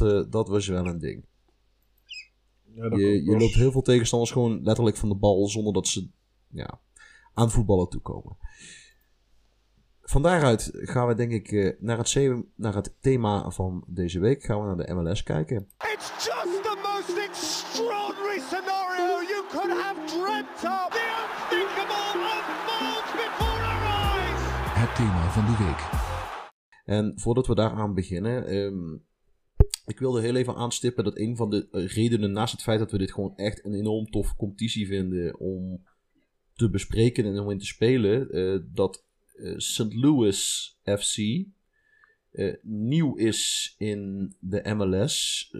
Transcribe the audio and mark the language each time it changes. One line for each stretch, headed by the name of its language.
Dutch: Dat was wel een ding. Ja, je loopt heel veel tegenstanders gewoon letterlijk van de bal zonder dat ze aan voetballen toekomen. Van daaruit gaan we denk ik naar het thema van deze week. Gaan we naar de MLS kijken.
English: It's just the most extraordinary scenario you could have dreamt of. The unthinkable unfolds before our eyes.
Dutch: Het thema van de week. En voordat we daaraan beginnen... Ik wilde heel even aanstippen dat een van de redenen, naast het feit dat we dit gewoon echt een enorm tof competitie vinden om te bespreken en om in te spelen, dat St. Louis FC nieuw is in de MLS.